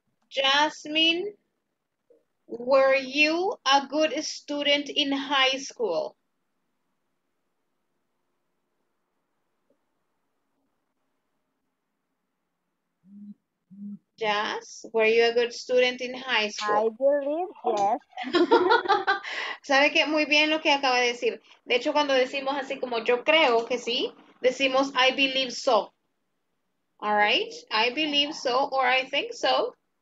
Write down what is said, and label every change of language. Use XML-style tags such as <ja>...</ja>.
<en>Jasmine, were you a good student in high school? Jazz, were you a good student in high school? I believe, yes.</en> <es>¿Sabe qué? Muy bien lo que acaba de decir. De hecho, cuando decimos así como yo creo que sí, decimos</es> <en>I believe so. All right, I believe so, or I think so.</en>